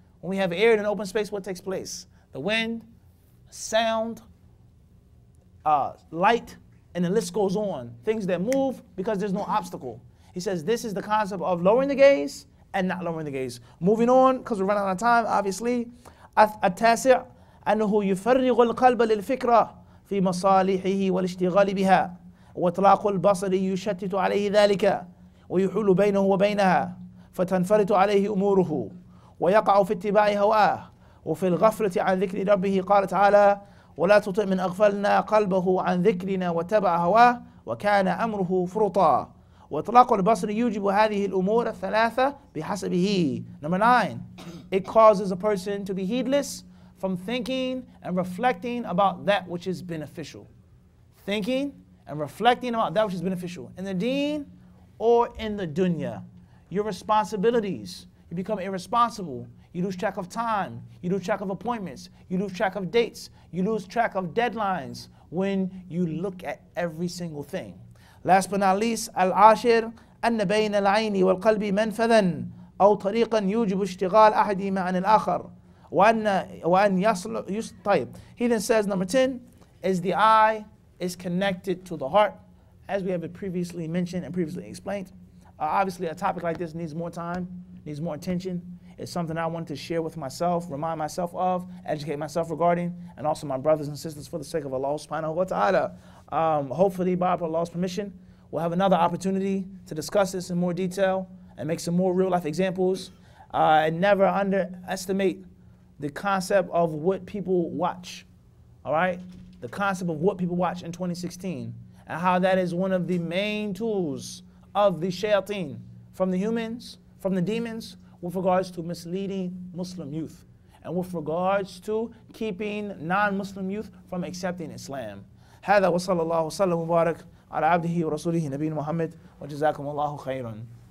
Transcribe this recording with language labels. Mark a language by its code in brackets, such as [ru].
[en] When we have air in an open space, what takes place? The wind, sound, light, and the list goes on. Things that move because there's no obstacle. He says this is the concept of lowering the gaze and not lowering the gaze. Moving on, because we're running out of time, obviously. [ar] التاسع, أنه يفرغ القلب للفكرة في مصالحه والاشتغال بها واطلاق البصر يشتت عليه ذلك ويحول بينه وبينها فتنفرط عليه أموره ويقع في اتباع هواه وفي الغفلة عن ذكر ربه قال تعالى ولا تطع من أغفلنا قلبه عن ذكرنا واتبع هواه وكان أمره فرطا واطلاق البصر يوجب هذه الأمور الثلاثة بحسبه. [en] Number 9, it causes a person to be heedless from thinking and reflecting about that which is beneficial. Thinking and reflecting about that which is beneficial in the deen or in the dunya. Your responsibilities, you become irresponsible. You lose track of time, you lose track of appointments, you lose track of dates, you lose track of deadlines when you look at every single thing. Last but not least, [ar] العاشر أن بين العين والقلب منفذا أو طريقا يوجب اشتغال أحدهما عن الآخر وأن يصل. طيب, [en] he then says number 10 is the eye is connected to the heart, as we have previously mentioned and previously explained. Obviously a topic like this needs more time, needs more attention. It's something I wanted to share with myself, remind myself of, educate myself regarding, and also my brothers and sisters for the sake of Allah subhanahu wa ta'ala. Hopefully, by Allah's permission, we'll have another opportunity to discuss this in more detail and make some more real-life examples. And never underestimate the concept of what people watch, all right? The concept of what people watch in 2016 and how that is one of the main tools of the shayateen from the humans, from the demons, with regards to misleading Muslim youth and with regards to keeping non-Muslim youth from accepting Islam. [ar] هذا وصلى الله وسلم وبارك على عبده ورسوله نبينا محمد وجزاكم الله خيراً.